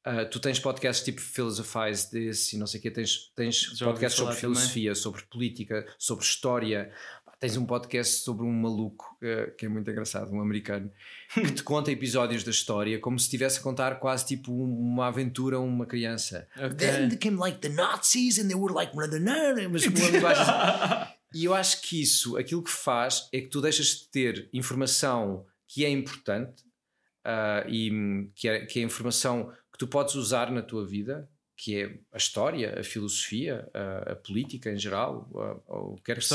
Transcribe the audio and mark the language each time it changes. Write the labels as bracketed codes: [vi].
[pt] Tu tens podcasts tipo Philosophize This e não sei o quê, tens podcasts sobre filosofia, também. Sobre política, sobre história... Tens um podcast sobre um maluco, que é muito engraçado, um americano, que te conta episódios da história como se estivesse a contar quase tipo uma aventura a uma criança. [en] Okay. Then they came like the Nazis and they were like... [pt] Mas com uma linguagem... E eu acho que isso, aquilo que faz é que tu deixas de ter informação que é importante e que é informação que tu podes usar na tua vida... Que é a história, a filosofia, a política em geral, ou o que quer que seja.